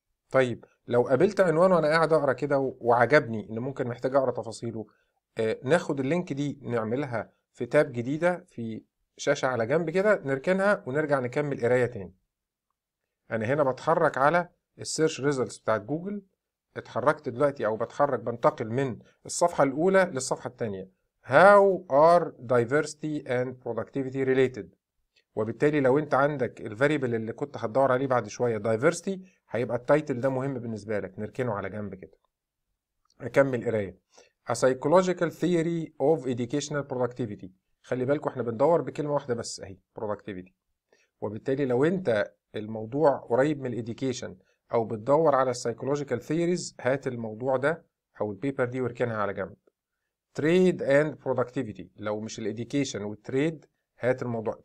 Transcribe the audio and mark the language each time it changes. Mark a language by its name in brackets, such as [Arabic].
[Arabic] طيب لو قابلت عنوان وانا قاعد اقرا كده وعجبني ان ممكن محتاج اقرا تفاصيله، ناخد اللينك دي نعملها في تاب جديده في شاشه على جنب كده، نركنها ونرجع نكمل قرايه تاني. انا هنا بتحرك على السيرش ريزلتس بتاعه جوجل، اتحركت دلوقتي او بتحرك بنتقل من الصفحه الاولى للصفحه الثانيه. [English] How are diversity and productivity related؟ [Arabic] وبالتالي لو انت عندك الفاريبل اللي كنت هتدور عليه بعد شويه diversity، هيبقى التايتل ده مهم بالنسبه لك، نركنه على جنب كده. اكمل قرايه. [English] A psychological theory of educational productivity. [Arabic] خلي بالكوا احنا بندور بكلمه واحده بس اهي productivity. وبالتالي لو انت الموضوع قريب من الإديوكيشن او بتدور على السايكولوجيكال ثيريز، هات الموضوع ده او البيبر دي واركنها على جنب. تريد اند برودكتيفيتي، لو مش الإديوكيشن والتريد هات الموضوع.